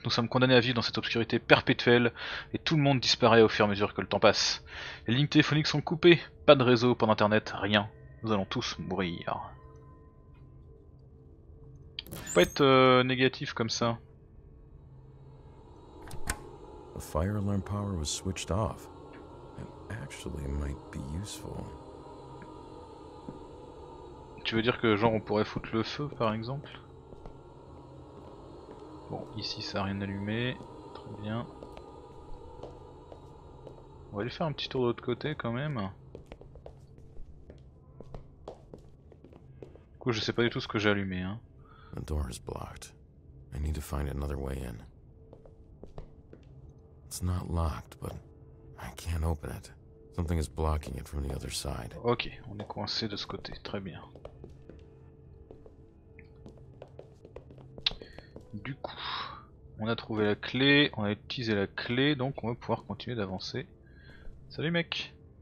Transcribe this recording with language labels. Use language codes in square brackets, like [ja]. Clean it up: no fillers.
[fr] Nous sommes condamnés à vivre dans cette obscurité perpétuelle et tout le monde disparaît au fur et à mesure que le temps passe. Les lignes téléphoniques sont coupées, pas de réseau, pas d'internet, rien. Nous allons tous mourir. Faut pas être négatif comme ça. [en] The fire alarm power was switched off. It actually might be useful. [fr] Tu veux dire que genre on pourrait foutre le feu par exemple? Bon, ici ça a rien allumé, très bien. On va aller faire un petit tour de l'autre côté quand même. Du coup, je sais pas du tout ce que j'ai allumé hein. [en] The door is blocked. I need to find another way in. It's not locked, but I can't open it. Something is blocking it from the other side. [fr] OK, on est coincé de ce côté, très bien. Du coup, on a trouvé la clé, on a utilisé la clé, donc on va pouvoir continuer d'avancer. Salut mec!